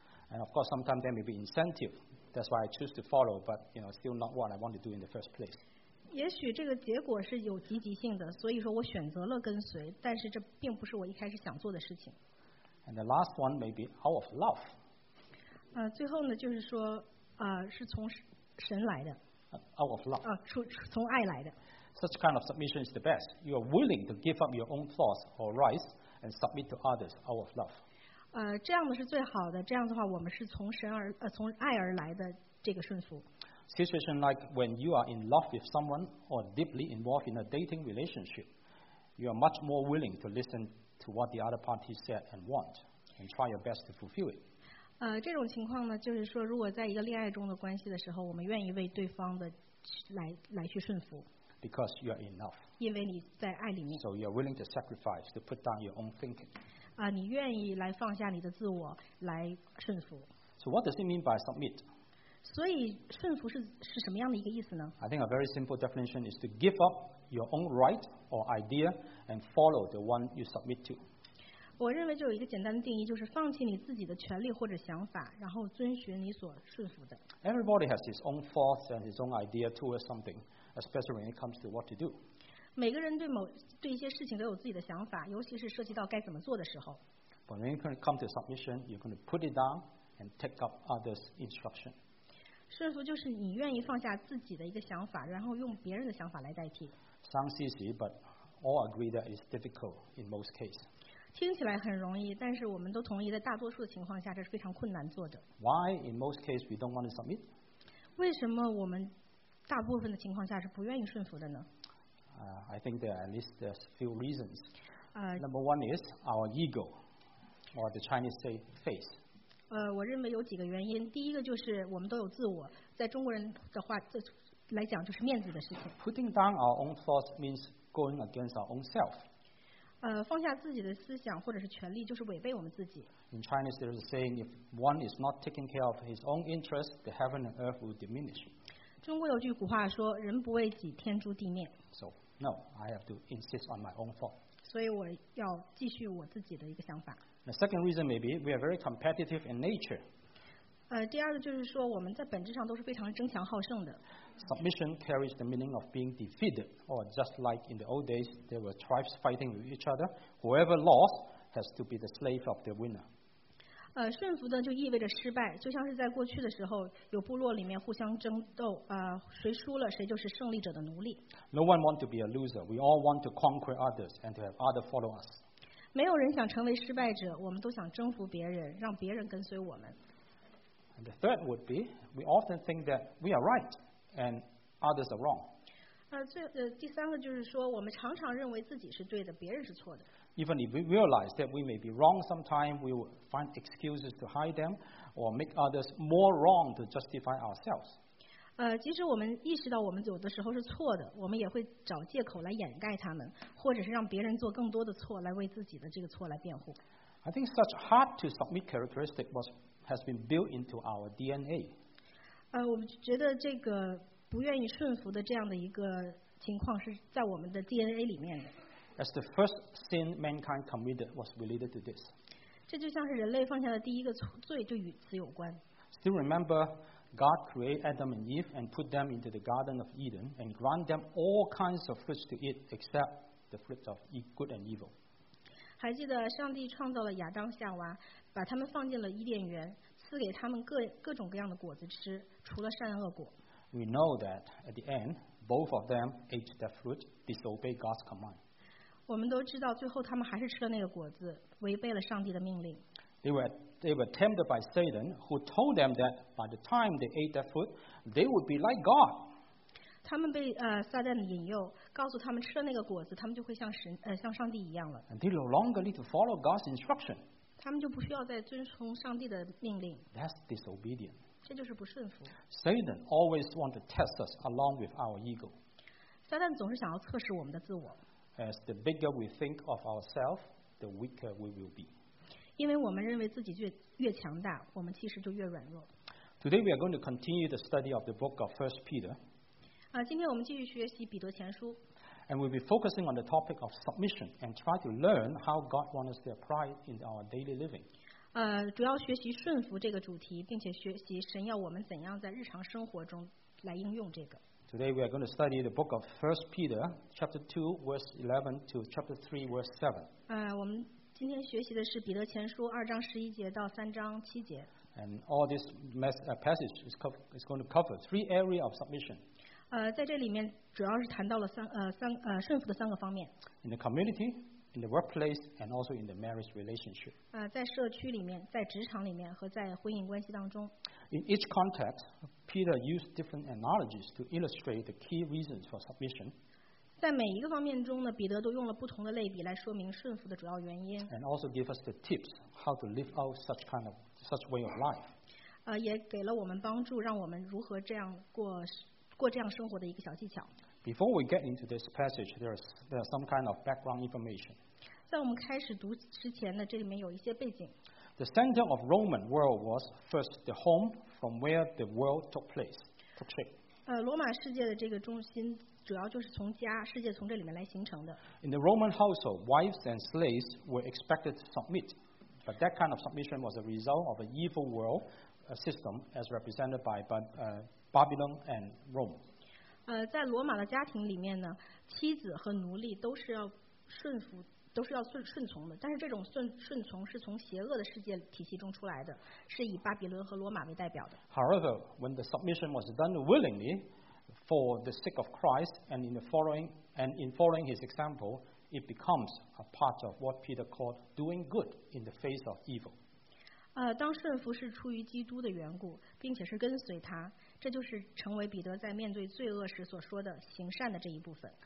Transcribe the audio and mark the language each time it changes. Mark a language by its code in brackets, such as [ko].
[en] And of course, sometimes there may be incentive. That's why I choose to follow, but you know, still not what I want to do in the first place. [zh] 也许这个结果是有积极性的，所以说我选择了跟随，但是这并不是我一开始想做的事情。 [en] And the last one may be out of love. [zh] 最后呢，就是说，是从神来的。 [en] Out of love. [zh] 从爱来的。 [en] Such kind of submission is the best. You are willing to give up your own thoughts or rights and submit to others out of love. [zh] 这样的是最好的，这样的话我们是从爱而来的这个顺服。 [en] Situation like when you are in love with someone or deeply involved in a dating relationship, you are much more willing to listen to what the other party said and want and try your best to fulfill it. [zh] 这种情况呢，就是说如果在一个恋爱中的关系的时候，我们愿意为对方的来去顺服。 [en] Because you are in love. [zh] 因为你在爱里面。 [en] So you are willing to sacrifice to put down your own thinking. [zh] 你愿意来放下你的自我来顺服。 [en] So what does it mean by submit? [zh] 所以顺服是什么样的一个意思呢？ [en] I think a very simple definition is to give up your own right or idea and follow the one you submit to. [zh] 我认为就有一个简单的定义，就是放弃你自己的权利或者想法，然后遵循你所顺服的。 [en] Everybody has his own thoughts and his own idea towards something, especially when it comes to what to do. [zh] 每个人对一些事情都有自己的想法，尤其是涉及到该怎么做的时候。 [en] But when you come to submission, you're going to put it down and take up others' instruction. [zh] 顺服就是你愿意放下自己的一个想法，然后用别人的想法来代替。 [en] Sounds easy, but all agree that it's difficult in most cases. [zh] 听起来很容易，但是我们都同意，在大多数的情况下，这是非常困难做的。 [en] Why in most cases we don't want to submit? [zh] 为什么我们大部分的情况下是不愿意顺服的呢？ [en] I think there are at least a few reasons. Number one is our ego, or the Chinese say face. [zh] 我认为有几个原因。第一个就是我们都有自我，在中国人的话来讲就是面子的事情。 [en] Putting down our own thoughts means going against our own self. [zh] 放下自己的思想或者是权利就是违背我们自己。 [en] In Chinese there is a saying, if one is not taking care of his own interests, the heaven and earth will diminish. [zh] 中国有句古话说，人不为己，天诛地灭。 [en] So, no, I have to insist on my own thought. [zh] 所以我要继续我自己的一个想法。 [en] The second reason may be we are very competitive in nature. [zh] 第二个就是说我们在本质上都是非常争强好胜的。 [en] Submission carries the meaning of being defeated, or just like in the old days, there were tribes fighting with each other. Whoever lost has to be the slave of the winner. [zh] 顺服的就意味着失败，就像是在过去的时候，有部落里面互相争斗，谁输了谁就是胜利者的奴隶。 [en] No one wants to be a loser. We all want to conquer others and to have others follow us. [zh] 没有人想成为失败者，我们都想征服别人，让别人跟随我们。 [en] And the third would be we often think that we are right. And others are wrong. [zh] 第三个就是说，我们常常认为自己是对的，别人是错的。 [en] Even if we realize that we may be wrong sometime, we will find excuses to hide them or make others more wrong to justify ourselves. [zh] 即使我们意识到我们有的时候是错的，我们也会找借口来掩盖他们，或者是让别人做更多的错，来为自己的这个错来辩护。 [en] I think such hard to submit characteristic has been built into our DNA. [zh] 我觉得这个不愿意顺服的这样的一个情况是在我们的 DNA 里面的。 [en] As the first sin mankind committed was related to this. [zh] 这就像是人类犯下的第一个罪就与此有关。 [en] Still remember, God created Adam and Eve and put them into the Garden of Eden and grant them all kinds of fruits to eat except the fruits of good and evil. [zh] 还记得上帝创造了亚当夏娃，把他们放进了伊甸园。赐给他们 各种各样的果子吃，除了善恶果。 [en] We know that at the end, both of them ate that fruit, disobeyed God's command. [zh] 我们都知道，最后他们还是吃了那个果子，违背了上帝的命令。 [en] They were tempted by Satan, who told them that by the time they ate that fruit, they would be like God. [zh] 他们被撒旦引诱，告诉他们吃了那个果子，他们就会像上帝一样了。 [en] And they no longer need to follow God's instruction. [zh] 他们就不需要再遵从上帝的命令。 [en] That's disobedient. [zh] 这就是不顺服。 [en] Satan always wants to test us along with our ego. [zh] 撒旦总是想要测试我们的自我。 [en] As the bigger we think of ourselves, the weaker we will be. [zh] 因为我们认为自己越强大，我们其实就越软弱。 [en] Today we are going to continue the study of the book of 1 Peter. [zh] 今天我们继续学习彼得前书。 [en] And we'll be focusing on the topic of submission and try to learn how God wants us to apply it in our daily living. [zh] 主要学习顺服这个主题，并且学习神要我们怎样在日常生活中来应用这个。 [en] Today we are going to study the book of 1 Peter, chapter 2, verse 11 to chapter 3, verse 7. [zh] 我们今天学习的是彼得前书二章十一节到三章七节。 [en] And all this passage is going to cover three areas of submission. [zh] 在这里面主要是谈到了顺服的三个方面。 [en] In the community, in the workplace, and also in the marriage relationship. [zh] 在社区里面，在职场里面和在婚姻关系当中。 [en] In each context, Peter used different analogies to illustrate the key reasons for submission. [zh] 在每一个方面中呢，彼得都用了不同的类比来说明顺服的主要原因。 [en] And also give us the tips how to live out such way of life. [zh] 也给了我们帮助，让我们如何这样过这样生活的一个小技巧。 [en] Before we get into this passage, there are some kind of background information. [zh] 在我们开始读之前呢，这里面有一些背景。 [en] The center of Roman world was first the home from where the world took shape. [zh] 罗马世界的这个中心主要就是从家，世界从这里面来形成的。 [en] In the Roman household, wives and slaves were expected to submit, but that kind of submission was a result of an evil world system as represented by Babylon and Rome. [zh] 在罗马的家庭里面呢，妻子和奴隶都是要顺服，都是要顺从的。但是这种顺从是从邪恶的世界体系中出来的，是以巴比伦和罗马为代表的。 [en] However, when the submission was done willingly for the sake of Christ and in following his example, it becomes a part of what Peter called doing good in the face of evil. [zh] 当顺服是出于基督的缘故，并且是跟随他。这就是成为彼得在面对罪恶时所说的行善的这一部分。